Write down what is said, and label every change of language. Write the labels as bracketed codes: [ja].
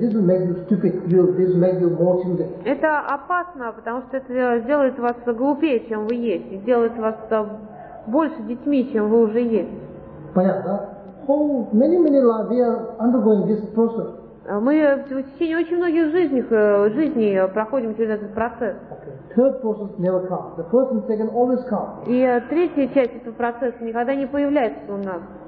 [ru] Это опасно, потому что это сделает вас глупее, чем вы есть, и сделает вас больше детьми, чем вы уже есть. Понятно? [en] Many lives are undergoing this process. [ru] Мы в течение очень многих жизней проходим через этот процесс. [en] Third process never comes. The first and second always come. [ru] И третья часть этого процесса никогда не появляется у нас.